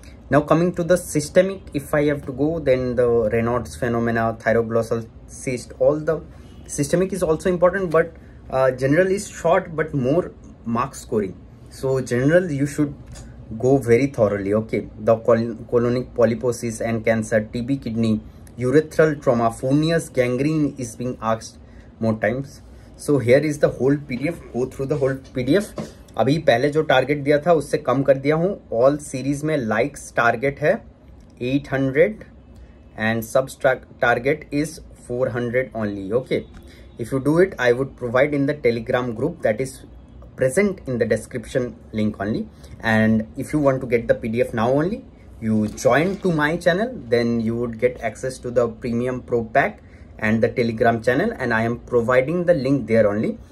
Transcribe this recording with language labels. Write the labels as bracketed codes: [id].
[en] Now coming to the systemic, if I have to go, then the Raynaud's phenomena, thyroglossal cyst, all the systemic is also important, but general is short, but more mark scoring. So general you should go very thoroughly, okay, the colonic polyposis and cancer, TB kidney, urethral trauma, Fournier's gangrene is being asked more times. So here is the whole PDF. Go through the whole PDF. [hi] अभी पहले जो target दिया था उससे कम कर दिया हूँ. All series में लाइक्स टारगेट है 800 [en] And subtract target is 400 only. Okay, If you do it, I would provide in the Telegram group that is present in the description link only. And if you want to get the PDF now only, you join to my channel, then you would get access to the premium pro pack and the Telegram channel, and I am providing the link there only.